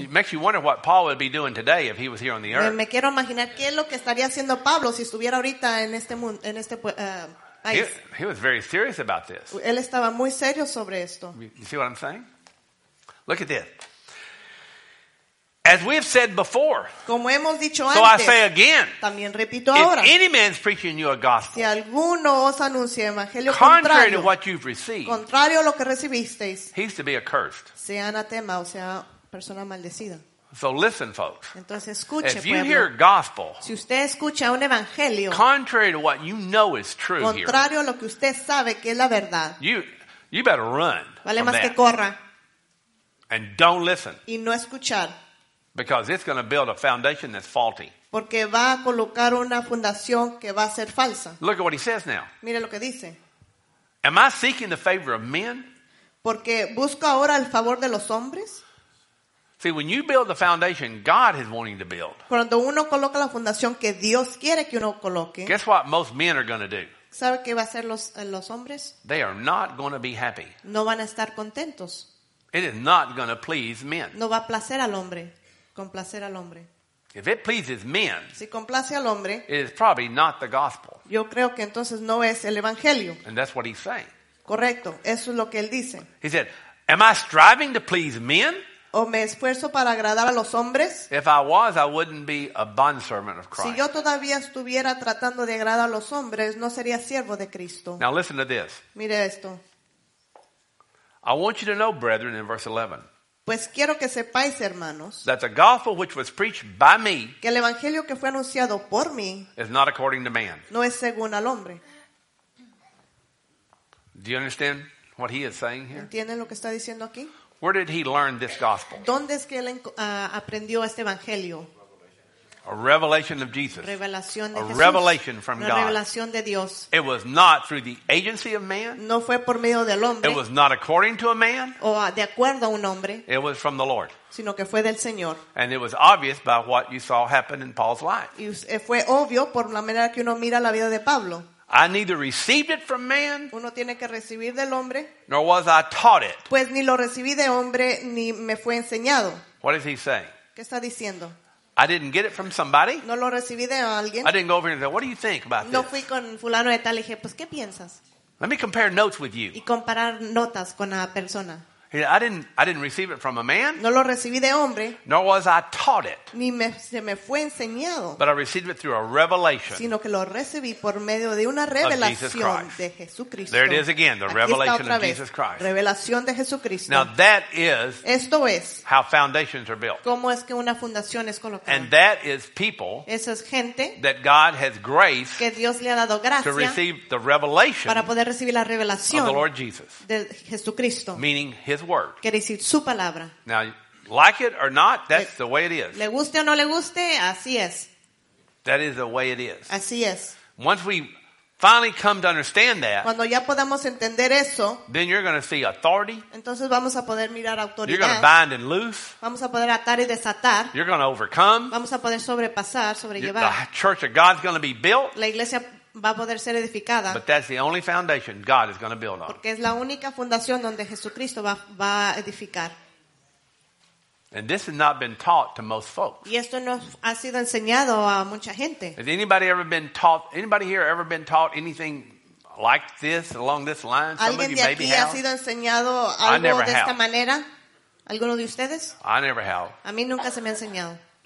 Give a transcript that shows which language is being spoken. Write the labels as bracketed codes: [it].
[en] It makes you wonder what Paul would be doing today if he was here on the earth. [es] Me quiero imaginar qué es lo que estaría haciendo Pablo si estuviera ahorita en este mundo, en este país. [en] He was very serious about this. [es] Él estaba muy serio sobre esto. [en] You see what I'm saying? Look at this. As we have said before, [es] como hemos dicho [en] so [es] antes, [en] I say again, [es] también repito ahora, [en] if any man is preaching you a gospel, [es] si alguno os anuncia evangelio [en] contrario to what you've received, [es] contrario a lo que recibisteis, [en] he's to be accursed. [es] Sea anatema, o sea, persona maldecida. [en] So listen, folks. [es] Entonces, escuche, [en] if you [es] pueblo, [en] hear gospel, [es] si usted escucha un evangelio, [en] contrary to what you know is true, [es] contrario [en] here, [es] a lo que usted sabe que es la verdad, [en] you better run. [es] Vale [en] from [es] más [en] that. [es] Que corra. [en] And don't listen. [es] Y no escuchar. [en] Because it's going to build a foundation that's faulty. [es] Porque va a colocar una fundación que va a ser falsa. [en] Look at what he says now. [es] Mire lo que dice. [en] Am I seeking the favor of men? [es] Porque busco ahora el favor de los hombres. [en] See, when you build the foundation God is wanting to build, [es] cuando uno coloca la fundación que Dios quiere que uno coloque, [en] guess what most men are going to do? [es] ¿Sabe qué va a hacer los hombres? [en] They are not going to be happy. [es] No van a estar contentos. [en] It is not going to please men. [es] No va a placer al hombre. Complacer al hombre. [en] If it pleases men, [es] si complace al hombre, [en] it is probably not the gospel. [es] Yo creo que entonces no es el evangelio. [en] And that's what he's saying. [es] Correcto, eso es lo que él dice. [en] He said, "Am I striving to please men?" [es] ¿O me esfuerzo para agradar a los hombres? [en] If I was, I wouldn't be a bondservant of Christ. [es] Si yo todavía estuviera tratando de agradar a los hombres, no sería siervo de Cristo. [en] Now listen to this. [es] Mire esto. [en] I want you to know, brethren, in verse 11. [es] Pues quiero que sepáis, hermanos, [en] that the gospel which was preached by me, [es] que el evangelio que fue anunciado por mí, [en] is not according to man. [es] No es según al hombre. [en] Do you understand what he is saying here? [es] ¿Entienden lo que está diciendo aquí? [en] Where did he learn this gospel? [es] ¿Dónde es que él aprendió este evangelio? [en] A revelation of Jesus. [es] Revelación de a Jesús. [en] Revelation from [es] una revelación [en] God. [es] De Dios. [en] It was not through the agency of man. [es] No fue por medio del hombre. [en] It was not according to a man. [es] O de acuerdo a un hombre. [en] It was from the Lord. [es] Sino que fue del Señor. [en] And it was obvious by what you saw happen in Paul's life. [es] Y fue obvio por la manera que uno mira la vida de Pablo. [en] I neither received it from man. [es] Uno tiene que recibir del hombre. [en] Nor was I taught it. [es] Pues ni lo recibí de hombre ni me fue enseñado. [en] What is he saying? [es] ¿Qué está diciendo? [en] I didn't get it from somebody. [es] No lo recibí de alguien. [en] I didn't go over and say, what do you think about [es] no [en] this? [es] Fui con fulano de tal y dije, pues, ¿qué piensas? [en] Let me compare notes with you. [es] Y comparar notas con la persona. [en] He said, I didn't receive it from a man. [es] No lo recibí de hombre. [en] Nor was I taught it. [es] Ni se me fue enseñado. [en] But I received it through a revelation. [es] Sino que lo recibí por medio de una revelación de Jesucristo. [en] There it is again, the [es] aquí [en] revelation of Jesus Christ. [es] Revelación de Jesucristo. [en] Now that is [es] esto es [en] how foundations are built. [es] Cómo es que una fundación es colocada. [en] And that is people, [es] esa es gente, [en] that God has graced, [es] que Dios le ha dado gracia, [en] to receive the revelation, [es] para poder recibir la revelación, [en] of the Lord Jesus. [es] De Jesucristo. [en] Meaning His word. [es] Quiere decir su palabra. [en] Now, like it or not, that's the way it is. [es] Le guste o no le guste, así es. [en] That is the way it is. [es] Así es. [en] Once we finally come to understand that, [es] cuando ya podamos entender eso, [en] then you're going to see authority. [es] Entonces vamos a poder mirar autoridad. [en] You're going to bind and loose. [es] Vamos a poder atar y desatar. [en] You're going to overcome. [es] Vamos a poder sobrepasar, sobrellevar. [en] The church of God is going to be built. [es] La iglesia va a poder ser edificada. [en] But that's the only foundation God is going to build on. [es] Porque es la única fundación donde Jesucristo va a edificar. [en] And this has not been taught to most folks. [es] Y esto no ha sido enseñado a mucha gente. [en] Has anybody ever been taught? Anybody here ever been taught anything like this along this line? [es] ¿Alguien de aquí ha sido enseñado algo de esta manera? ¿Alguno de ustedes? [en] I never have. [es] A mí nunca se me ha enseñado.